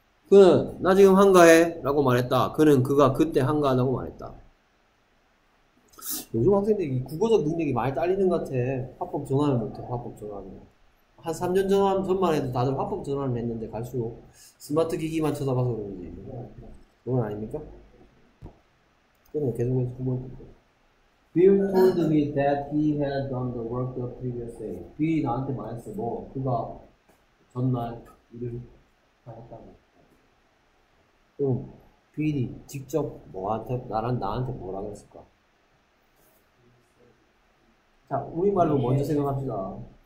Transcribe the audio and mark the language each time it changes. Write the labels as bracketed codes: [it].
[ko] 그는 나 지금 한가해 라고 말했다. 그는 그가 그때 한가하다고 말했다. 요즘 학생들이 국어적 능력이 많이 딸리는 것 같아. 화법 전환을 못해, 화법 전환을. 한 3년 전만 해도 다들 화법 전환을 했는데 갈수록 스마트 기기만 쳐다봐서 그런지. 그건 아닙니까? 그럼 계속해서 두 번째. [en] Bill told me that he had done the work the previous day. [ko] Bill이 나한테 말했어. 뭐, 그가 전날 일을 다 했다고. 그럼, Bill이 직접 뭐한테, 나한테 뭐라고 했을까? 자, 우리말로 먼저 생각합시다.